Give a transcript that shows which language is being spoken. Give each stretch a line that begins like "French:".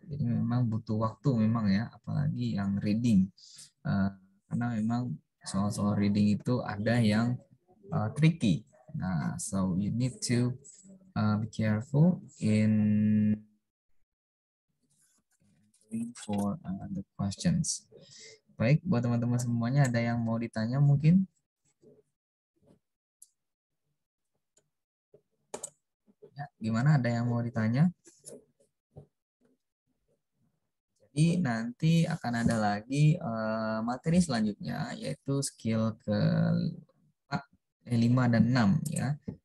Indonesian: Jadi memang butuh waktu memang ya, apalagi yang reading, karena memang soal-soal reading itu ada yang tricky.
English: Nah, so you need to be careful in reading for the questions.
Indonesian: Baik, buat teman-teman semuanya ada yang mau ditanya mungkin? Gimana, ada yang mau ditanya? Jadi nanti akan ada lagi materi selanjutnya, yaitu skill ke 5 dan 6 ya.